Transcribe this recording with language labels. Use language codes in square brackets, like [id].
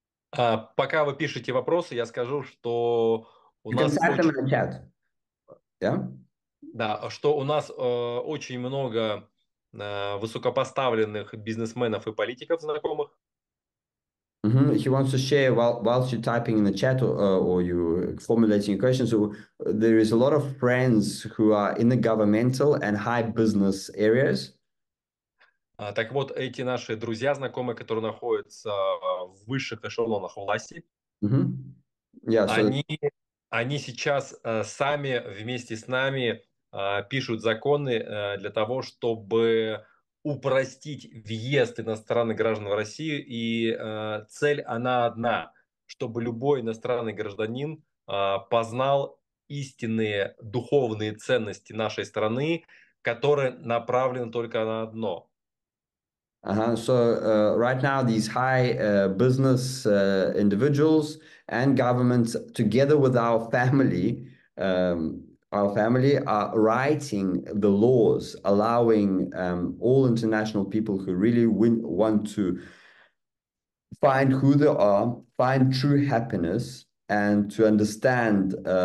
[ru] Пока вы пишете вопросы, я скажу, что у [en] you [ru] нас [en] can type them in the chat. Yeah. [ru] Да, что у нас очень много высокопоставленных бизнесменов и политиков знакомых. Mm-hmm. [en] He wants to share whilst you're typing in the chat or you're formulating your questions. So there is a lot of friends who are in the governmental and high business areas. [ru] Так вот, эти наши друзья, знакомые, которые находятся в высших эшелонах власти, [en] mm-hmm. Yeah, so [ru] они сейчас сами вместе с нами пишут законы для того, чтобы упростить въезд иностранных граждан в Россию, и цель она одна, чтобы любой иностранный гражданин познал истинные духовные ценности нашей страны, которые направлены только на одно, [en] So right now, these high business individuals and governments, together with our family are writing the laws allowing all international people who really want to find who they are, find true happiness, and to understand